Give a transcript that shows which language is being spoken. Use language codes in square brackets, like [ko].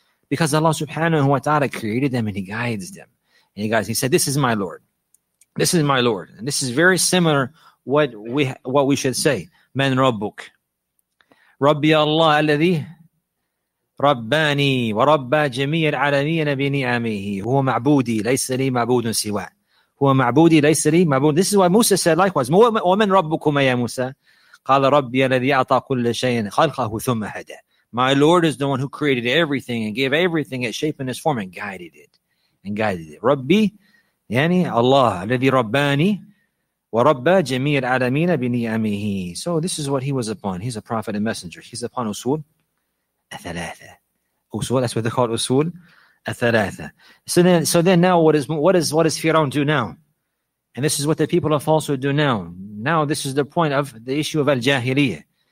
[en] Because Allah subhanahu wa ta'ala created them and He guides them. And He guides, He said, this is my Lord. This is my Lord. And this is very similar what we should say. [ar] Man Rabbuk. Rabbi Allah alladhi رباني وربى جميع العالمين بنعمه. هو معبودي ليس لي معبود سوى. هو معبودي ليس لي معبود. [en] This is why Moses said likewise. [ar] ومن ربكما يا موسى؟ قال ربي الذي أعطى كل شيء خلقه ثم هدى. [en] My Lord is the one who created everything and gave everything its shape and its form and guided it. And guided it. [ar] ربي يعني الله الذي رباني وربى جميع العالمين بنعمه. [en] So this is what he was upon. He's a prophet and messenger. He's upon أصول الثلاثة. أصول, that's what they call أصول الثلاثة. So then now what is Fir'aun do now? And this is what the people of falsehood do now. Now this is the point of the issue of Al-Jahiliyyah.